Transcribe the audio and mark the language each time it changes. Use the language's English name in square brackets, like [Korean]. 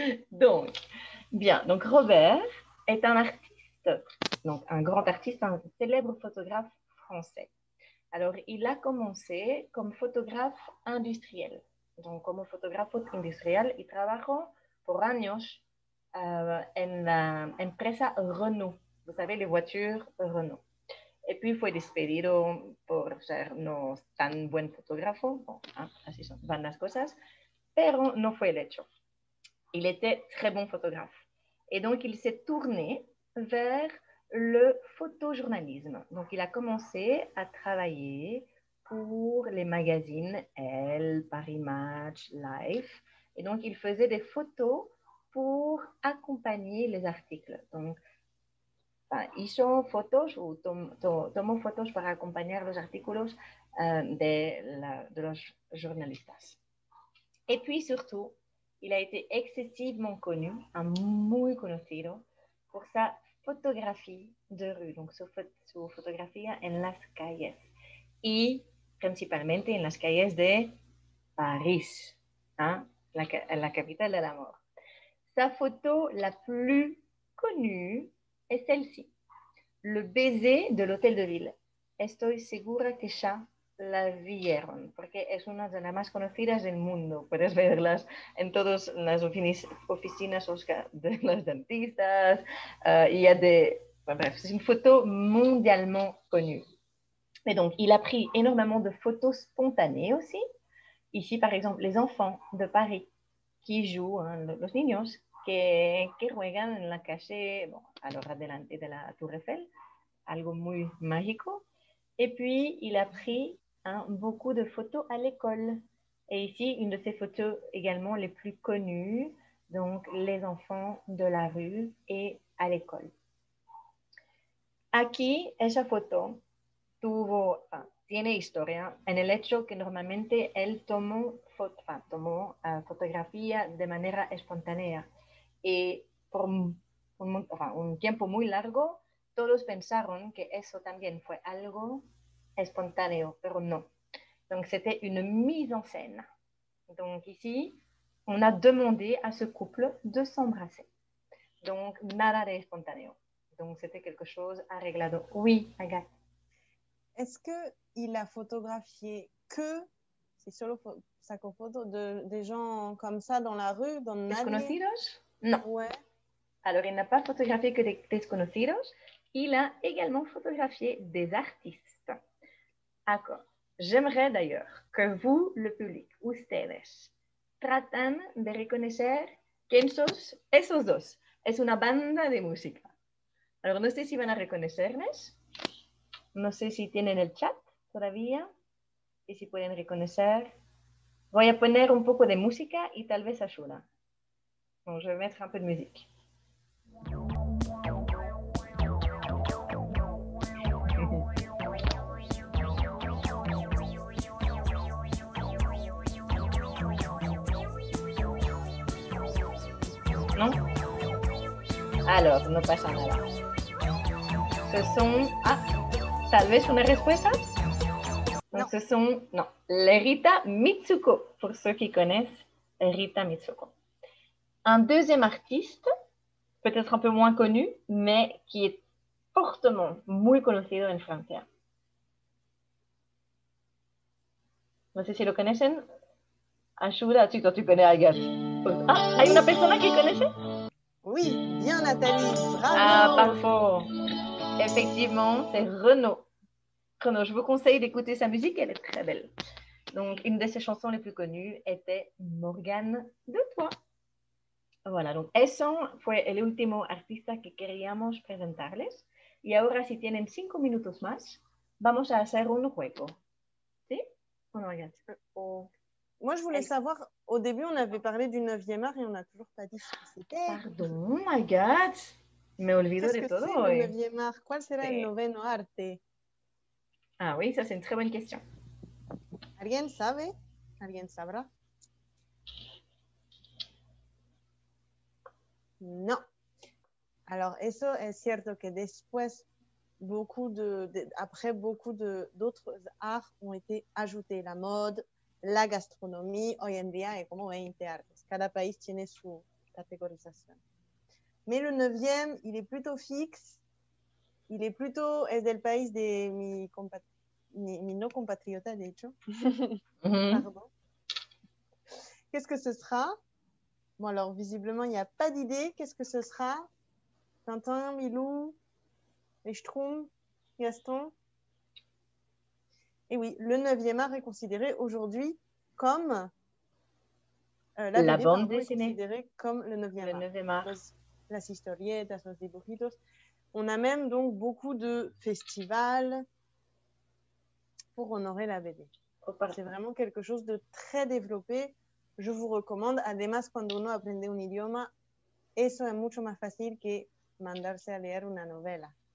[French] Donc, bien, donc Robert est un artiste, donc un grand artiste, un célèbre photographe français. Alors, il a commencé comme photographe industriel. Donc, comme photographe industriel, il travaille pour [Spanish] años en la empresa [French] Renault. Vous savez, les voitures Renault. Et puis, il [Spanish] fue despedido por ser no tan buen fotógrafo. Bon, hein, así son, van las cosas. Pero no fue el hecho. [French] Il était très bon photographe. Et donc, il s'est tourné vers le photojournalisme. Donc, il a commencé à travailler pour les magazines Elle, Paris Match, Life. Et donc, il faisait des photos pour accompagner les articles. Donc, il fait des photos ou [Spanish] tomó [French] photos pour accompagner les articles de los journalistas. Et puis, surtout, il a été excessivement connu, un [Spanish] muy conocido, [French] pour sa photographie de rue, donc [Spanish] su fotografía en las calles, y principalmente en las calles de París, [French] hein, la capitale de l'amour. Sa photo la plus connue est celle-ci, le baiser de l'hôtel de ville. [Spanish] Estoy segura que ya la vieron, porque es una de las más conocidas del mundo. Puedes verlas en todas las oficinas de los dentistas. Es una foto mundialmente conocida. Y entonces, él [French] ha pris énormément de fotos spontanées aussi. [Spanish] Ici, por ejemplo, los [French] enfants [Spanish] de París que juegan, los niños que juegan en la calle, bueno, a la hora delante de la Tour Eiffel, algo muy mágico. Y [French] puis, [Spanish] él [French] ha pris beaucoup de photos à l'école. Et ici, une de ses photos également les plus connues, donc les enfants de la rue et à l'école. [Spanish] Aquí, esa photo tuvo, tiene historia en el hecho que normalmente él tomó fotografía de manera espontánea. Y por un tiempo muy largo, todos pensaron que eso también fue algo espontáneo, pero no. [French] Donc, c'était une mise en scène. Donc, ici, on a demandé à ce couple de s'embrasser. [Spanish] Donc, nada de espontáneo. [French] Donc, c'était quelque chose [Spanish] arreglado. [French] Oui, Agathe. Est-ce qu'il a photographié que, c'est [Spanish] solo saco foto, [French] des gens comme ça dans la rue, dans [Spanish] nadie? Desconocidos? Non. [French] Ouais. Alors, il n'a pas photographié que des [Spanish] desconocidos. [French] Il a également photographié des artistes. D'accord. J'aimerais d'ailleurs que vous, le public, [Spanish] ustedes, traten de reconnaître quién sos esos dos. Es una banda de música. [French] Alors, [Spanish] no sé si van a reconocerles. No sé si tienen el chat todavía. Y si pueden reconocer. Voy a poner un poco de música y tal vez ayuda. [French] Bon, je vais mettre un peu de musique. Yo. non? Alors, [Spanish] no pasa nada. [French] Ce sont... [Spanish] Ah, tal vez una respuesta? [French] Non. Ce sont... Non, les Rita Mitsuko, pour ceux qui connaissent Rita Mitsuko. Un deuxième artiste, peut-être un peu moins connu, mais qui est fortement, [Spanish] muy conocido en Francia. No sé si lo conocen. Ayuda, chico, [French] tu connais Agathe. [Spanish] Ah, hay una persona que conoce. [French] Oui, bien Nathalie, bravo. Ah, parfois. Effectivement, c'est Renaud. Renaud, je vous conseille d'écouter sa musique, elle est très belle. Donc, une de ses chansons les plus connues était Morgane de toi. Voilà, donc [Spanish] ese fue el último artista que queríamos presentarles. Y ahora, si tienen cinco minutos más, vamos a hacer un juego. [French] Moi, je voulais savoir, au début, on avait parlé du 9e art et on n'a toujours pas dit ce que c'était. Pardon, [English] my God. [Spanish] Me olvido de todo. [French] Qu'est-ce que c'est le 9e art? [Spanish] ¿Cuál será el noveno arte? [French] Ah oui, ça, c'est une très bonne question. [Spanish] ¿Alguien sabe? ¿Alguien sabrá? [French] Non. Alors, [Spanish] eso es cierto que después... [French] Beaucoup d'autres arts ont été ajoutés. La mode, la gastronomie, [Spanish] hoy en día, [French] et comme 20 arts. [Spanish] Cada país tiene su categorización. [French] Mais le 9e, il est plutôt fixe. Il est plutôt. [Spanish] Es del país de mi no compatriota, de hecho. [French] Pardon. Qu'est-ce que ce sera? Bon, alors, visiblement, il n'y a pas d'idée. Qu'est-ce que ce sera? Tintin, Milou? Les Schtroumpfs, Gaston. Et oui, le 9e art est considéré aujourd'hui comme la bande dessinée. Considéré comme le 9e art. Le 9e art. [Spanish] Las historietas, los dibujitos. [French] On a même donc beaucoup de festivals pour honorer la BD. C'est vraiment quelque chose de très développé. Je vous recommande. [Spanish] Además, cuando uno aprende un idioma, eso es mucho más fácil que mandarse a leer una novela.